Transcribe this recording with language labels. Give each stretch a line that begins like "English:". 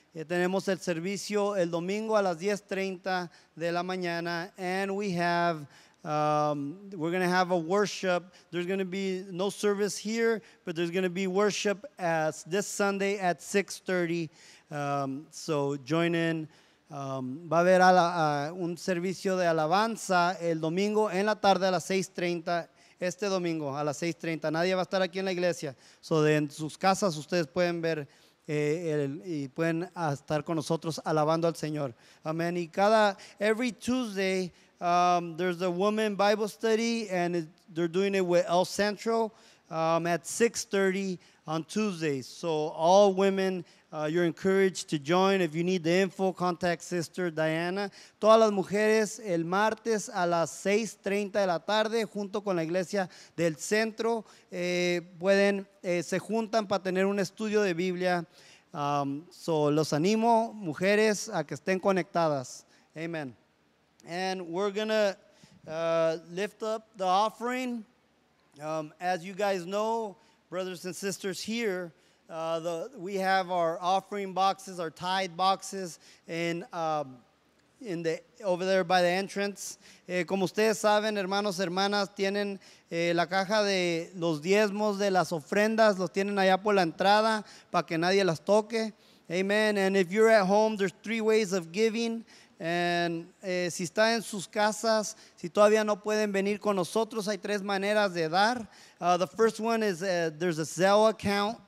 Spanish: Tenemos el servicio el domingo a las 10:30 de la mañana.
English: And we have we're going to have a worship. There's going to be no service here, but there's going to be worship as this Sunday at 6:30. So join in.
Spanish: Va a haber un servicio de alabanza el domingo en la tarde a las 6:30. Este domingo a las 6:30. Nadie va a estar aquí en la iglesia. So en sus casas ustedes pueden ver y pueden estar con nosotros alabando al Señor. Amen. Y cada
English: every Tuesday, there's a woman Bible study, and they're doing it with El Centro at 6:30 on Tuesdays. So all women, you're encouraged to join. If you need the info, contact Sister Diana.
Spanish: Todas las mujeres el martes a las 6:30 de la tarde junto con la iglesia del centro se juntan para tener un estudio de Biblia. So los animo, mujeres, a que estén conectadas. Amen.
English: And we're going to lift up the offering. As you guys know, brothers and sisters here, we have our offering boxes, our tithe boxes, in the over there by the entrance.
Spanish: Como ustedes saben, hermanos, hermanas, tienen la caja de los diezmos, de las ofrendas, los tienen allá por la entrada para que nadie las toque. Amen.
English: And if you're at home, there's three ways of giving.
Spanish: And si está en sus casas, si todavía no pueden venir con nosotros, hay tres maneras de dar.
English: The first one is there's a Zelle account.